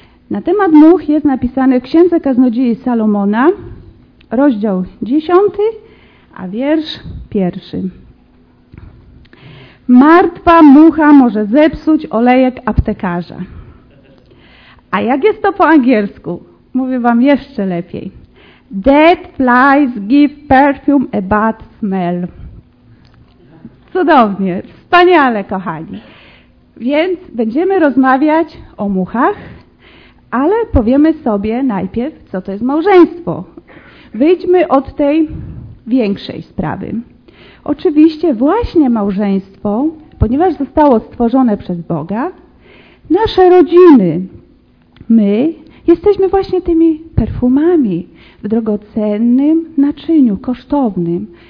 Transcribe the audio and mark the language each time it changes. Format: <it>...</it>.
<pl>Na temat much jest napisane w Księdze Kaznodziei Salomona, rozdział 10, a wiersz 1. Martwa mucha może zepsuć olejek aptekarza. A jak jest to po angielsku? Mówię wam jeszcze lepiej.</pl> <en>Dead flies give perfume a bad smell.</en> <pl>Cudownie, wspaniale, kochani. Więc będziemy rozmawiać o muchach, ale powiemy sobie najpierw, co to jest małżeństwo. Wyjdźmy od tej większej sprawy. Oczywiście właśnie małżeństwo, ponieważ zostało stworzone przez Boga, nasze rodziny, my jesteśmy właśnie tymi perfumami w drogocennym naczyniu, kosztownym.</pl>